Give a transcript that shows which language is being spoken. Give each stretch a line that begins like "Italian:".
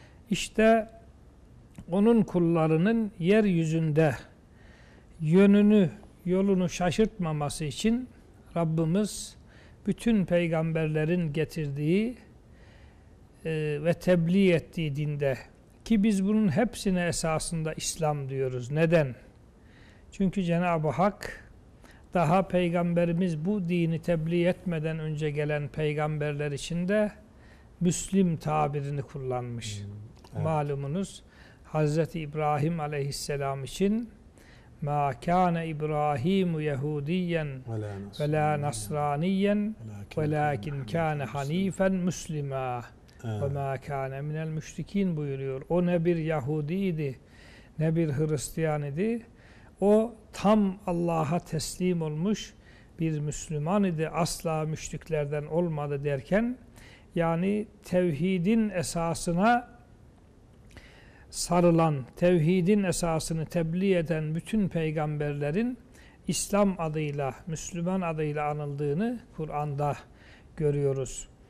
Turkish: İşte onun kullarının yeryüzünde yönünü, yolunu şaşırtmaması için Rabbimiz bütün peygamberlerin getirdiği ve tebliğ ettiği dinde, ki biz bunun hepsine esasında İslam diyoruz. Neden? Çünkü Cenab-ı Hak daha peygamberimiz bu dini tebliğ etmeden önce gelen peygamberler için de Müslim tabirini kullanmış. Evet. Malumunuz Hazreti İbrahim aleyhisselam için
Arabic: مَا كَانَ إِبْرَاهِيمُ يَهُودِيًّا وَلَا نَصْرَانِيًّا وَلَاكِنْ كَانَ حَن۪يفًا مُسْلِمًا وَمَا كَانَ مِنَ الْمُشْرِك۪ينَ
Turkish: buyuruyor. O ne bir Yahudiydi, ne bir Hristiyan idi. O tam Allah'a teslim olmuş bir Müslüman idi. Asla müşriklerden olmadı derken, yani tevhidin esasına sarılan, tevhidin esasını tebliğ eden bütün peygamberlerin İslam adıyla, Müslüman adıyla anıldığını Kur'an'da görüyoruz.